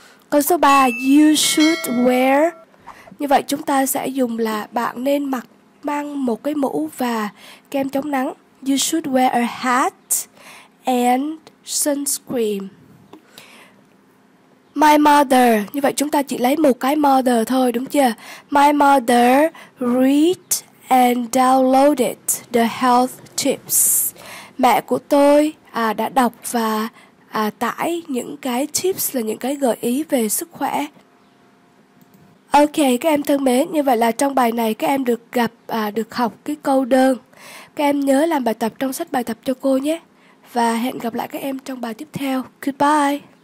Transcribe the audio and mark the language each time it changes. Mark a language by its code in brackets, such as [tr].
[vi] Câu số 3, [en] you should wear. [vi] Như vậy chúng ta sẽ dùng là bạn nên mặc, mang một cái mũ và kem chống nắng. [en] You should wear a hat and sunscreen. [vi] My mother, như vậy chúng ta chỉ lấy một cái mother thôi, đúng chưa? [en] My mother read and downloaded the health tips. [vi] Mẹ của tôi đã đọc và tải những cái tips, là những cái gợi ý về sức khỏe. Ok, các em thân mến, như vậy là trong bài này các em được gặp, được học cái câu đơn. Các em nhớ làm bài tập trong sách bài tập cho cô nhé. Và hẹn gặp lại các em trong bài tiếp theo. [en] Goodbye!